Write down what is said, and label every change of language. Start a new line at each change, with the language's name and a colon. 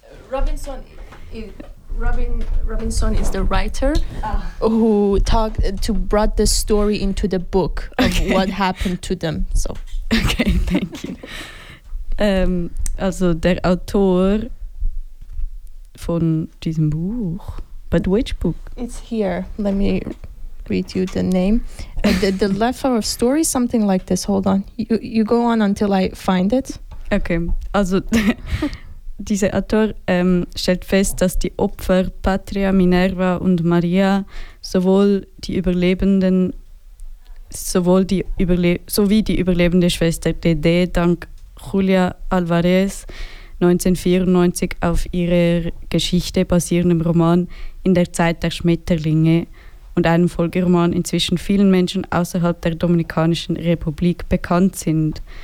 English: Robinson is the writer who talked to brought the story into the book of what happened to them. So. Okay, thank you.
German: also der Autor von diesem Buch.
English: But which book? It's here. Let me read you the name. The Life of Story, something like this. Hold on. You go on until I find it.
German: Okay, also... Dieser Autor stellt fest, dass die Opfer Patria, Minerva und Maria sowie die überlebende Schwester Dede dank Julia Alvarez 1994 auf ihrer Geschichte basierendem Roman In der Zeit der Schmetterlinge und einem Folgeroman inzwischen vielen Menschen außerhalb der Dominikanischen Republik bekannt sind.